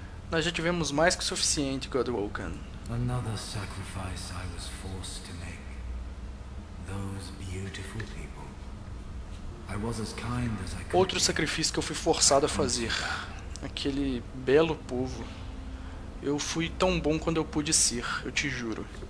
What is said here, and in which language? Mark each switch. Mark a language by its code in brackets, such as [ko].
[pt] Nós já tivemos mais que o suficiente, Godwoken. [en] Another sacrifice I was forced to make. Those beautiful people. I was as kind as I could. [pt] Outro sacrifício que eu fui forçado a fazer. Aquele belo povo. Eu fui tão bom quanto eu pude ser, eu te juro.